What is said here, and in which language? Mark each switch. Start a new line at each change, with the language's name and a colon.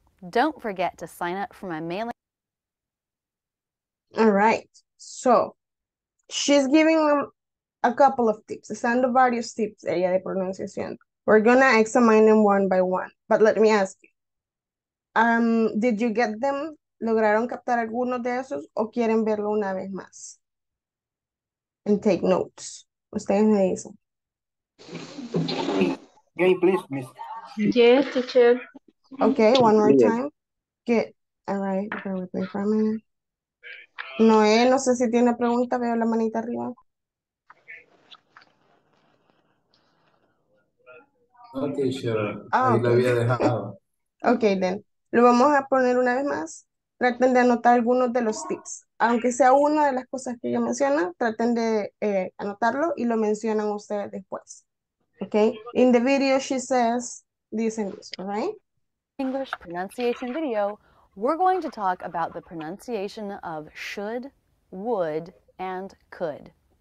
English: Don't forget to sign up for my mailing. All right, so she's giving them a couple of tips. Send the various tips,
Spanish: ella de pronunciación.
English: We're going to examine them one by one, but let me ask you. Did you get them?
Spanish: ¿Lograron captar algunos de esos o quieren verlo una vez más?
English: And take notes.
Spanish: Ustedes me dicen.
English: Okay, please, miss. Yes, teacher. Okay, one more time. Good. All right, bear with me for a minute.
Spanish: Noé, no sé si tiene pregunta, veo la manita arriba. Okay, sure. Ah, okay. Ahí lo había dejado. Okay, then. Lo vamos a poner una vez más. Traten de anotar algunos de los tips. Aunque sea una de las cosas que yo menciono, traten de anotarlo y lo mencionan ustedes después.
English: Okay? In the video, she says this and this, all right? English pronunciation video, we're going to talk about the pronunciation of should, would, and could.